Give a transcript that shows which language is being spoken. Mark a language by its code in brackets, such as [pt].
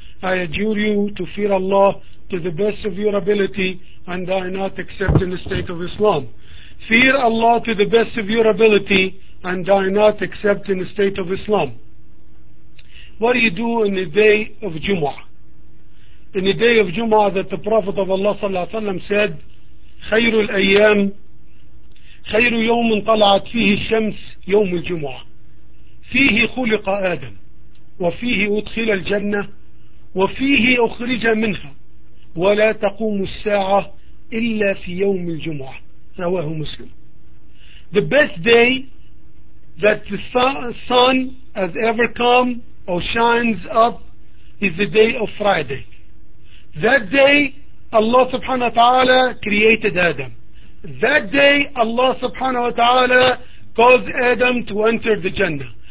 [en] I adjure you to fear Allah to the best of your ability, and I not accept in the state of Islam. Fear Allah to the best of your ability and die not except in the state of Islam. What do you do in the day of Jumu'ah? in the day of Jum'ah that the Prophet of Allah sallallahu alayhi wa sallam said, [ar] خير الأيام خير يوم طلعت فيه الشمس يوم الجمعة فيه خلق آدم وفيه أدخل الجنة وفيه أخرج منها ولا تقوم الساعة إلا في يوم الجمعة. رواه مسلم. [en] The best day that the sun has ever come or shines up is the day of Friday. That day Allah subhanahu wa ta'ala created Adam. That day Allah subhanahu wa ta'ala caused Adam to enter the Jannah.